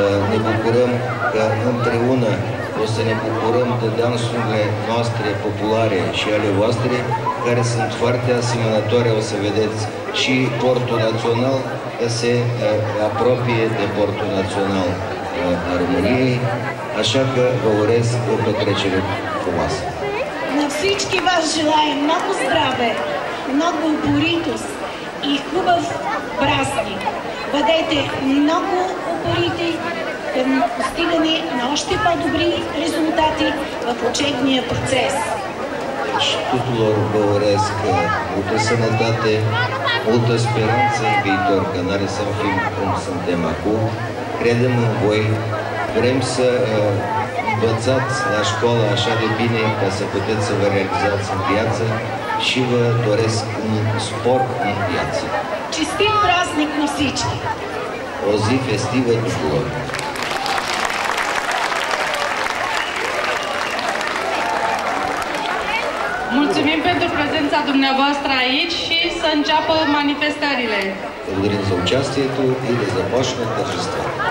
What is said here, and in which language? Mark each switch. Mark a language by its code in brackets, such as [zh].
[ro] Ne bucurăm că împreună o să ne bucurăm de dansurile noastre populare și ale voastre, care sunt foarte asemănătoare, o să vedeți, și portul național se apropie de portul național a României, așa că vă urez o petrecere frumoasă. [bg] На всички вас желаем много здраве, много упоритост и хубав празник. Бъдете много упорити към постигане на още по-добри резултати в учебния процес. [ro] Tuturor vă urez multă sănătate, multă speranță în viitor, că n-are să fim cum suntem acum. Credem în voi, vrem să învățați la școală așa de bine ca să puteți să vă realizați în viață și vă doresc un spor în viață. Честит празник на всички! O zi festivă tuturor! Mulțumim pentru prezența dumneavoastră aici și să înceapă manifestările. Mulțumim [bg] за участието и да започне тържество.